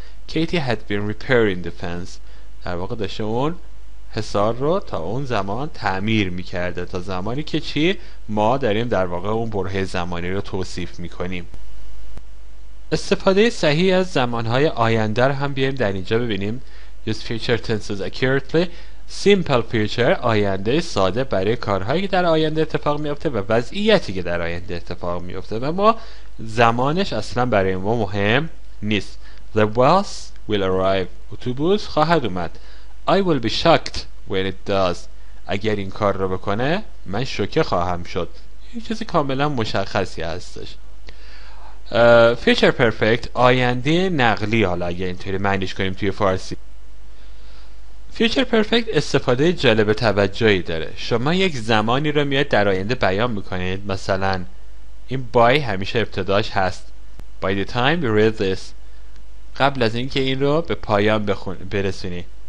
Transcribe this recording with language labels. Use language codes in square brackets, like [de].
[en] Katie had been repairing the fence، [fa] در واقع داشته اون حصار رو تا اون زمان تعمیر میکرده، تا زمانی که چی؟ ما داریم در واقع اون برهه زمانی رو توصیف میکنیم. استفاده صحیح از زمانهای آینده رو هم بیاریم در اینجا ببینیم. [en] Use future tenses accurately. [fa] Simple future، آینده ساده برای کارهایی که در آینده اتفاق میفته و وضعیتی که در آینده اتفاق میفته و ما زمانش اصلا برای ما مهم نیست. [en] The bus will arrive، [fa] اتوبوس خواهد اومد. [en] I will be shocked when it does، [fa] اگر این کار رو بکنه من شوکه خواهم شد. یه چیزی کاملا مشخصی هستش. فیچر پرفکت آینده نقلی، حالا اگه اینطوری معنیش کنیم توی فارسی. فیوچر پرفکت استفاده جالب توجهی داره. شما یک زمانی رو میاد در آینده بیان میکنید، مثلا این by همیشه ابتداش هست، [en] by the time you read this، [fa] قبل از اینکه این رو به پایان برسونی.